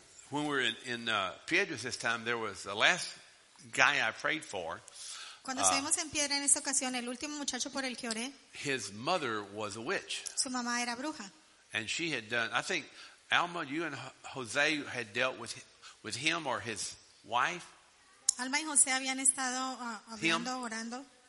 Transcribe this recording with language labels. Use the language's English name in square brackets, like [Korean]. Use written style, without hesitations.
[English] When we were in Piedras this time, there was the last guy I prayed for. [Spanish] Cuando estuvimos en Piedra en esta ocasión, el último muchacho por el que oré. [English] His mother was a witch. [Spanish] Su mamá era bruja. [English] And she had done. I think Alma, you and Jose had dealt with him or his wife. [Spanish] Alma y Jose habían estado hablando, orando.